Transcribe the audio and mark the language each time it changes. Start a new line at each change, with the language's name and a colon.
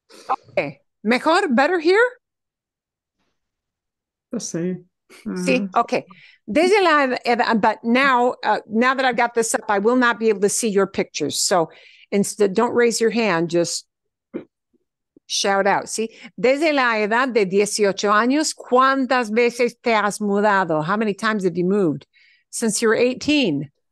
English: Okay.
Spanish: Mejor,
English: better here? The same. See, okay.
Spanish: Desde la,
English: but now that I've got this up, I will not be able to see your pictures. So instead, don't raise your hand, just shout out.
Spanish: See, desde la edad de 18 años, ¿cuántas veces te has mudado?
English: How many times have you moved since you were 18?